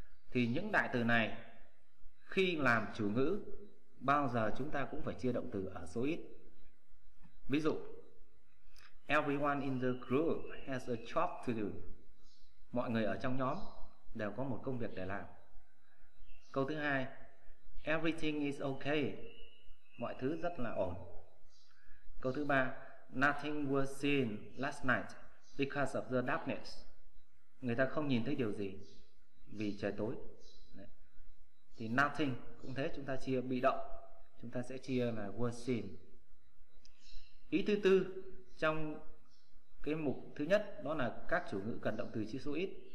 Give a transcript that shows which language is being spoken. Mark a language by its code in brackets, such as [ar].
[vi] Thì những đại từ này khi làm chủ ngữ bao giờ chúng ta cũng phải chia động từ ở số ít. Ví dụ: [en] Everyone in the group has a job to do. [vi] Mọi người ở trong nhóm đều có một công việc để làm. Câu thứ hai: [en] Everything is okay. [vi] Mọi thứ rất là ổn. Câu thứ ba: [en] Nothing was seen last night because of the darkness. [vi] Người ta không nhìn thấy điều gì vì trời tối. Đấy. Thì nothing cũng thế, chúng ta chia bị động, chúng ta sẽ chia là [en] was seen. [vi] Ý thứ tư trong cái mục thứ nhất đó là các chủ ngữ cần động từ chia số ít.